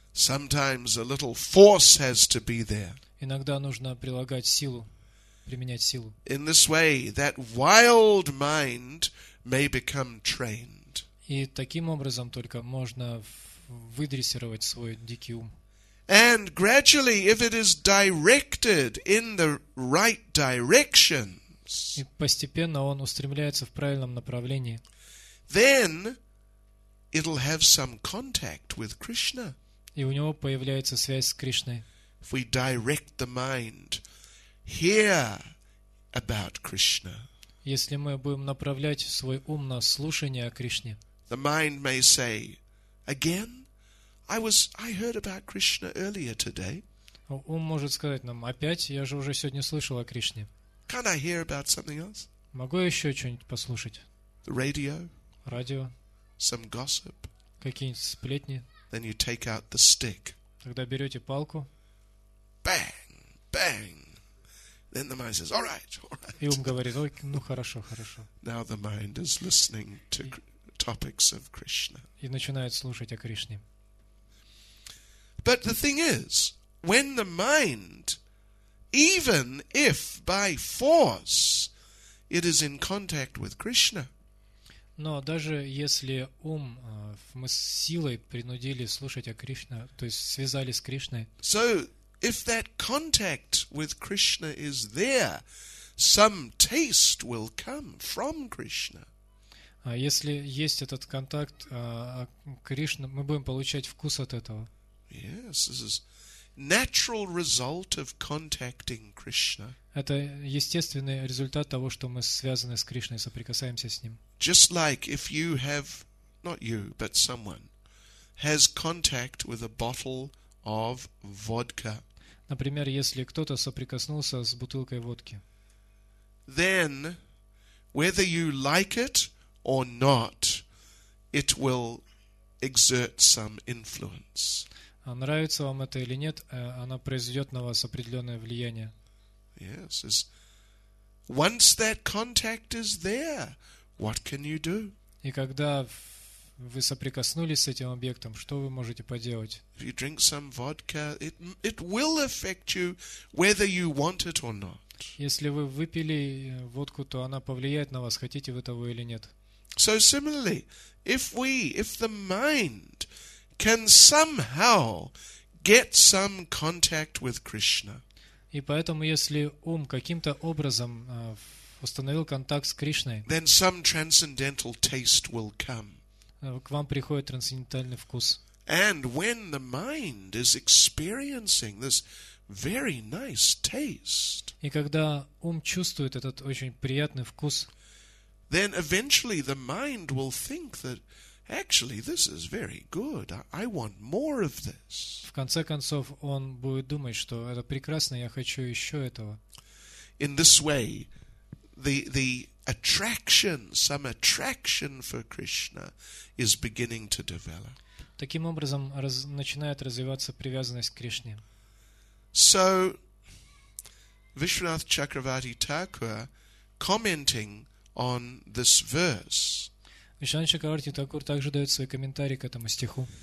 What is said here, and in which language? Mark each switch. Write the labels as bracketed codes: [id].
[en] Sometimes a little force has to be there. [ru] Иногда нужно прилагать силу, применять силу. [en] In this way, that wild mind may become trained. [ru] И таким образом только можно выдрессировать свой дикий ум. [en] And gradually, if it is directed in the right directions, [ru] и постепенно он устремляется в правильном направлении, [en] then it'll have some contact with Krishna. [ru] И у него появляется связь с Кришной. [en] If we direct the mind here about Krishna, [ru] если мы будем направлять свой ум на слушание о Кришне, [en] the mind may say, again, I heard about Krishna earlier today. [ru] Ум может сказать нам, опять, я же уже сегодня слышал о Кришне. [en] Can I hear about something else? [ru] Могу я еще что-нибудь послушать? [en] The radio? [ru] Радио. [en] Some gossip? [ru] Какие-нибудь сплетни. [en] Then you take out the stick. [ru] Тогда берете палку. [en] Bang, bang. Then the mind says, all right, all right. [ru] И ум говорит, ой, ну хорошо, хорошо. [en] Now the mind is listening to topics of Krishna. [ru] И начинает слушать о Кришне. [en] But the thing is, when the mind, even if by force, it is in contact with Krishna. [ru] Но даже если ум мы с силой принудили слушать о Кришне, то есть связали с Кришной. [en] So if that contact with Krishna is there, some taste will come from Krishna. [ru] А если есть этот контакт Кришна, мы будем получать вкус от этого. [en] Yes, this is natural result of contacting Krishna. [ru] Это естественный результат того, что мы связаны с Кришной, соприкасаемся с ним. [en] Just like if you have, not you, but someone, has contact with a bottle of vodka. [ru] Например, если кто-то соприкоснулся с бутылкой водки. [en] Then, whether you like it or not, it will exert some influence. [ru] А нравится вам это или нет, она произведет на вас определенное влияние. [en] Yes, is once that contact is there, what can you do? [ru] И когда вы соприкоснулись с этим объектом, что вы можете поделать? [en] If you drink some vodka, it will affect you, whether you want it or not. [ru] Если вы выпили водку, то она повлияет на вас, хотите вы того или нет. [en] So similarly, if the mind can somehow get some contact with Krishna. [ru] И поэтому, если ум каким-то образом установил контакт с Кришной, [en] then some transcendental taste will come. [ru] К вам приходит трансцендентальный вкус. [en] And when the mind is experiencing this very nice taste, [ru] и когда ум чувствует этот очень приятный вкус, [en] then eventually the mind will think that actually, this is very good. I want more of this. [ru] В конце концов, он будет думать, что это прекрасно, я хочу еще этого. [en] In this way, the attraction, some attraction for Krishna is beginning to develop. [ru] Таким образом, начинает развиваться привязанность к Кришне. [en] So, Vishwanath Chakravarti Thakur commenting on this verse. [ru] Вишванатх Чакраварти Такур также дает свой комментарий к этому стиху.